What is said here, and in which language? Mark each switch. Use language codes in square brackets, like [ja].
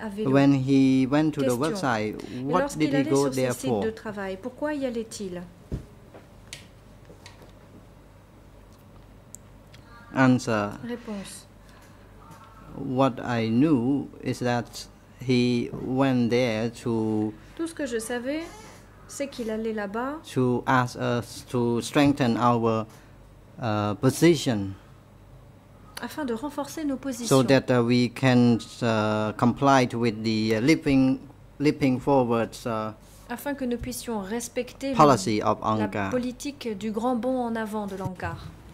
[en] When he went to the website, what did he go there for? [fr] Pourquoi y allait-il? [en] Answer. [fr] Réponse. [en] What I knew is that he went there to [fr] tout ce que je savais, c'est qu'il allait là-bas [en] to ask us to strengthen our position [fr] afin de renforcer nos positions [en] so that we can comply with the leaping forward [fr] afin que nous puissions respecter [en] policy of Anka. [fr] La politique du grand bond en avant de l'Ankar.